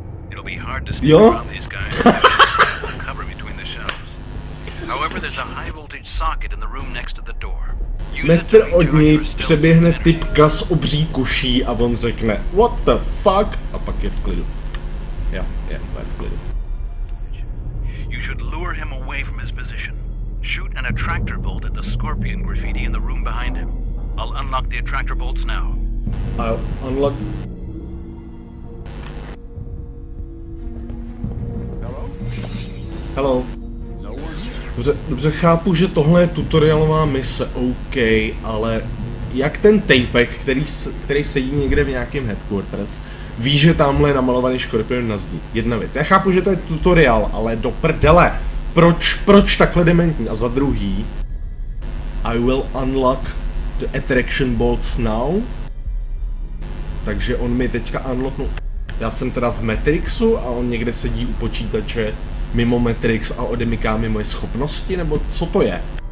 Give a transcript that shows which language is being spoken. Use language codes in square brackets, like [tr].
[en] It'll be hard to see around these guys. Cover between the shelves. However, there's a high voltage socket in the room next to the door. [cs] Metr od něj přeběhne typka s obří kuší a on řekne [en] what the fuck? [cs] A pak je v klidu. Jo, je v klidu. [en] You should lure him away from his position. Shoot an attractor bolt at the scorpion graffiti in the room behind him. I'll unlock the attractor bolts now. I'll unlock. Hello. [cs] Dobře, chápu, že tohle je tutoriálová mise, OK, ale jak ten tapek, který sedí někde v nějakém headquarters, ví, že tamhle je namalovaný škorpion na zdi? Jedna věc. Já chápu, že to je tutoriál, ale do prdele, proč takhle dementní? A za druhý, [en] I will unlock the attraction bolts now. [cs] Takže on mi teďka unlocknul. Já jsem teda v Matrixu a on někde sedí u počítače mimo Matrix a odemyká mi moje schopnosti, nebo co to je?